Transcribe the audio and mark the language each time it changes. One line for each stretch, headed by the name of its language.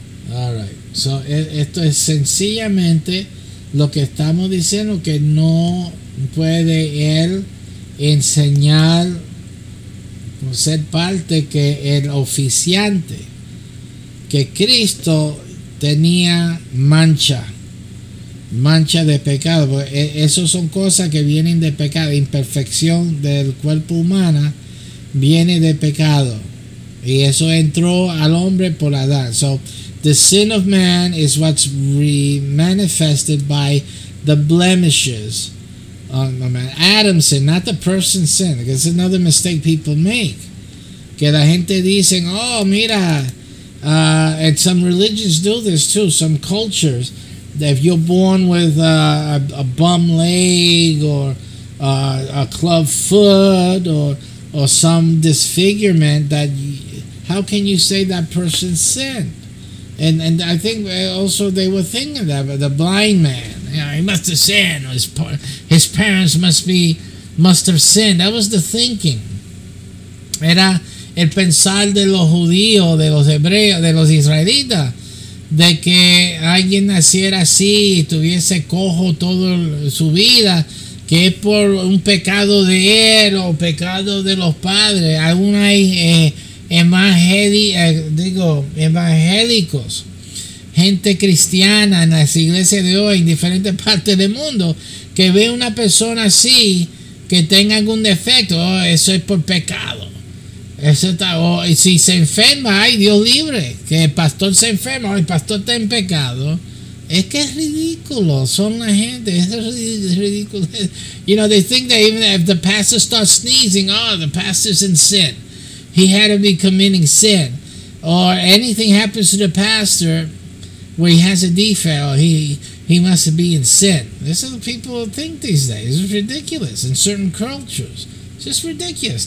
Spanish: Alright, so esto es sencillamente lo que estamos diciendo, que no puede él enseñar, ser parte que el oficiante, que Cristo tenía mancha de pecado, porque eso son cosas que vienen de pecado, imperfección del cuerpo humano viene de pecado, y eso entró al hombre por Adán.
English: So the sin of man is what's manifested by the blemishes on the man. Adam's sin, not the person's sin, because it's another mistake people make.
Spanish: Que la gente dicen, oh, mira,
English: and some religions do this too, some cultures, that if you're born with a bum leg or a club foot or some disfigurement, that how can you say that person sinned? And I think also they were thinking that, but the blind man, you know, he must have sinned, or his parents must have sinned. That was the thinking.
Spanish: Era el pensar de los judíos, de los hebreos, de los israelitas, de que alguien naciera así y tuviese cojo toda su vida, que es por un pecado de él o pecado de los padres. Aún hay evangélicos, gente cristiana en las iglesias de hoy, en diferentes partes del mundo, que ve una persona así, que tenga algún defecto, oh, eso es por pecado. Eso está, oh, y si se enferma, ay, Dios libre, que el pastor se enferma, oh, el pastor está en pecado. Es que es ridículo, son la gente, es ridículo.
English: You know, they think that even if the pastor starts sneezing, oh, the pastor's in sin. He had to be committing sin. Or anything happens to the pastor where he has a defect, or he must be in sin. This is what people think these days. It's ridiculous in certain cultures. It's just ridiculous.